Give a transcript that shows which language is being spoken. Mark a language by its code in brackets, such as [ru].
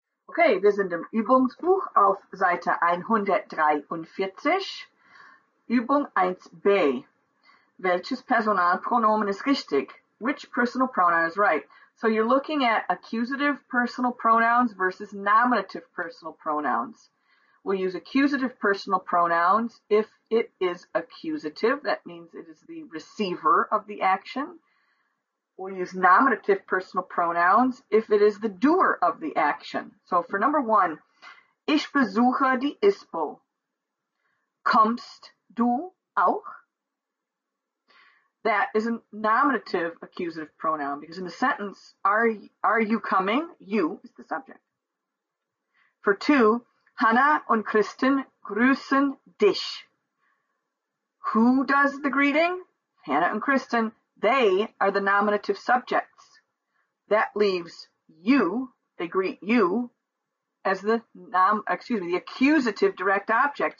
[de] Okay, wir sind im Übungsbuch auf Seite 143, Übung 1b. Welches Personalpronomen ist richtig? [en] Which personal pronoun is right? So you're looking at accusative personal pronouns versus nominative personal pronouns. We'll use accusative personal pronouns if it is accusative. That means it is the receiver of the action. We'll use nominative personal pronouns if it is the doer of the action. So for number one, [de] ich besuche die ISPO. Kommst du auch? [en] That is a nominative accusative pronoun because in the sentence, are you coming? You is the subject. For two, [de] Hannah und Kristen grüßen dich. [en] Who does the greeting? Hannah and Kristen. They are the nominative subjects. That leaves you, they greet you, as the the accusative direct object.